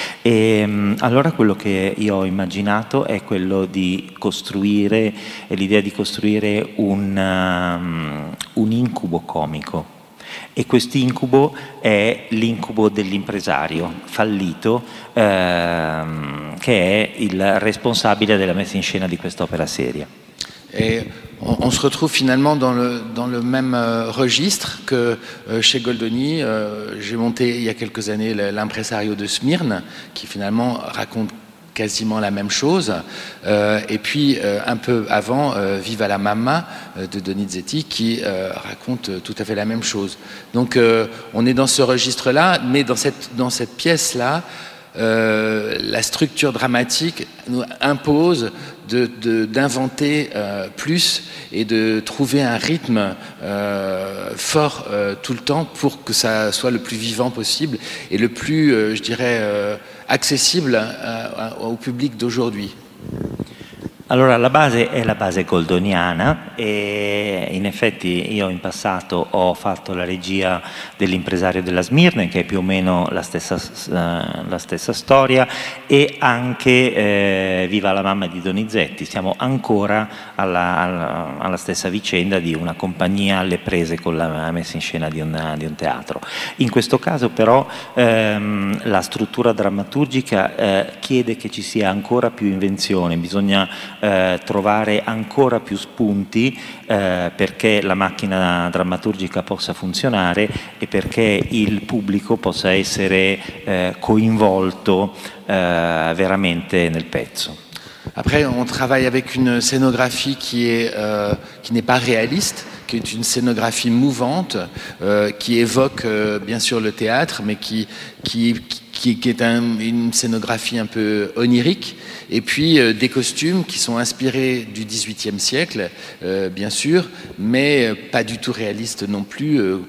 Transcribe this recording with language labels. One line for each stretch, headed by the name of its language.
Italian: E allora quello che io ho immaginato è quello di costruire, è l'idea di costruire un incubo comico. E questo incubo è l'incubo dell'impresario fallito, che è il responsabile della messa in scena di quest'opera seria.
French: E on se retrouve finalement dans le même registre que chez Goldoni. J'ai monté il y a quelques années l'impresario de Smyrne, qui finalement raconte quasiment la même chose, et puis un peu avant Viva la Mamma de Donizetti, qui raconte tout à fait la même chose. Donc on est dans ce registre là mais dans cette pièce là la structure dramatique nous impose d'inventer plus et de trouver un rythme fort tout le temps pour que ça soit le plus vivant possible et le plus je dirais accessible au public d'aujourd'hui.
Italian: Allora, la base è la base goldoniana, e in effetti io in passato ho fatto la regia dell'impresario della Smyrne, che è più o meno la stessa storia, e anche Viva la mamma di Donizetti. Siamo ancora alla stessa vicenda di una compagnia alle prese con la messa in scena di un teatro. In questo caso però la struttura drammaturgica chiede che ci sia ancora più invenzione, bisogna trovare ancora più spunti perché la macchina drammaturgica possa funzionare e perché il pubblico possa essere coinvolto veramente nel pezzo.
French: Après, on travaille avec une scénographie qui n'est pas réaliste, qui est une scénographie mouvante, qui évoque bien sûr le théâtre, mais qui est une scénographie un peu onirique, et puis des costumes qui sont inspirés du XVIIIe siècle, bien sûr, mais pas du tout réaliste non plus,